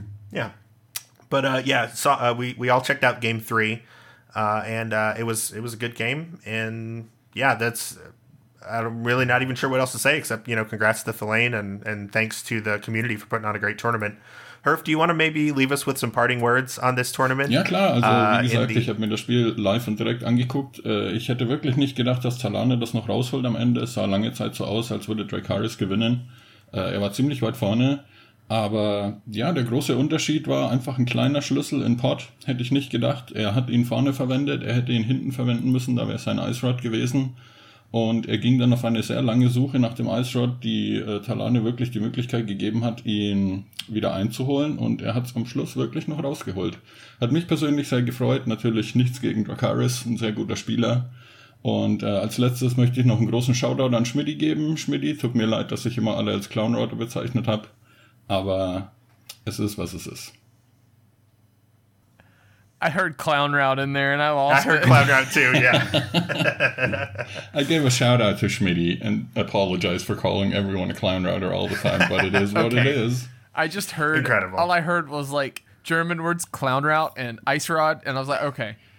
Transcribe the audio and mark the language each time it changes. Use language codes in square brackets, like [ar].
[en] Yeah, but we all checked out game 3, and it was a good game, and yeah, that's I'm really not even sure what else to say except, you know, congrats to Thelane and thanks to the community for putting on a great tournament. Herf, do you want to maybe leave us with some parting words on this tournament? [de] Ja, klar. Also, wie gesagt, ich habe mir das Spiel live und direkt angeguckt. Ich hätte wirklich nicht gedacht, dass Talane das noch rausholt am Ende. Es sah lange Zeit so aus, als würde Dracarys gewinnen. Er war ziemlich weit vorne. Aber ja, der große Unterschied war einfach ein kleiner Schlüssel in Pod. Hätte ich nicht gedacht. Er hat ihn vorne verwendet. Er hätte ihn hinten verwenden müssen. Da wäre sein Ice Rod gewesen. Und er ging dann auf eine sehr lange Suche nach dem Ice Rod, die Talane wirklich die Möglichkeit gegeben hat, ihn wieder einzuholen. Und er hat es am Schluss wirklich noch rausgeholt. Hat mich persönlich sehr gefreut. Natürlich nichts gegen Dracarys, ein sehr guter Spieler. Und als letztes möchte ich noch einen großen Shoutout an Schmiddy geben. Schmiddy, tut mir leid, dass ich immer alle als Clownrotter bezeichnet habe. Aber es ist, was es ist. [en] I heard clown route in there, and I lost it. I heard clown route too, yeah. I gave a shout out to Schmiddy and apologize for calling everyone a clown router all the time, but it is what okay. It is. I just heard, incredible. All I heard was like German words clown route and ice rod, and I was like, okay.